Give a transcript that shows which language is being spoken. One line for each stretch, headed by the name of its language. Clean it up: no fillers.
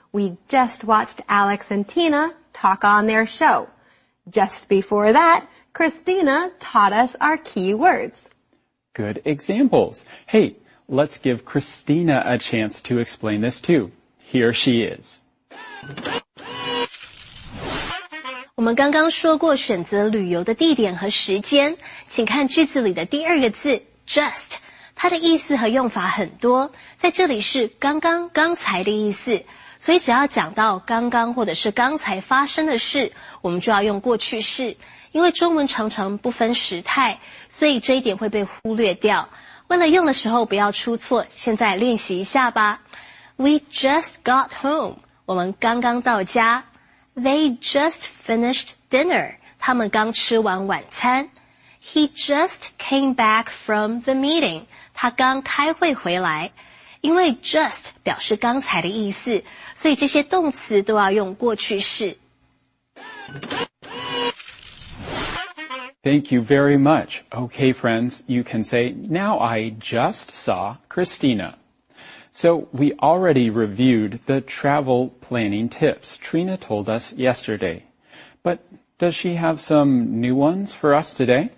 English: We just watched Alex and Tina talk on their show. Just before that, Christina taught us our key words. Good examples. Hey, let's give Christina a chance to explain this too. Here she is.
Chinese: 我们刚刚说过选择旅游的地点和时间，请看句子里的第二个字 just， 它的意思和用法很多，在这里是刚刚刚才的意思，所以只要讲到刚刚或者是刚才发生的事，我们就要用过去式，因为中文常常不分时态，所以这一点会被忽略掉。为了用的时候不要出错，现在练习一下吧。
English: We just got home，
Chinese: 我们刚刚到家。
English: They just finished dinner，
Chinese: 他们刚吃完晚餐。
English: He just came back from the meeting，
Chinese: 他刚开会回来。因为 just 表示刚才的意思，所以这些动词都要用过去式。
English: Thank you very much. Okay, friends, you can say, now I just saw Christina. So we already reviewed the travel planning tips Trina told us yesterday. But does she have some new ones for us today?